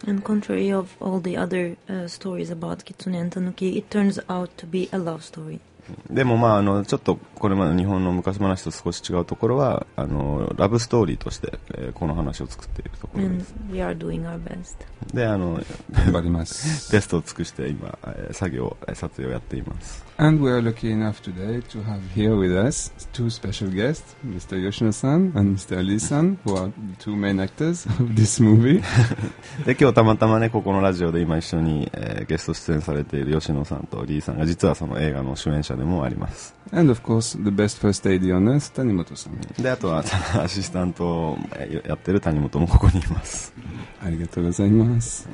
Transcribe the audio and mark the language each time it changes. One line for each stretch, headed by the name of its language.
English: Mm-hmm. And contrary of all the other, stories about Kitsune and Tanuki, it turns out to be a love story.
Japanese: でもまああのちょっとこれまで日本の昔話と少し違うところはあのラブストーリーとしてこの話を作っているところです。
English: We are doing our best.
Japanese: で頑張ります。ベストを尽くして今作業撮影をやっています。
English: And we are lucky enough today to have here with us two special guests, Mr. Yoshino-san and Mr. Lee-san, who are the two main actors of this movie.
Japanese: で今日たまたまねここのラジオで今一緒に、ゲスト出演されている吉野さんとリーさんが実はその映画の主演者でもあります。
English: And of course, the best first AD on earth, 谷本さん。
Japanese: で、あとはアシスタントをやってる谷本もここにいます。ありがとうございます。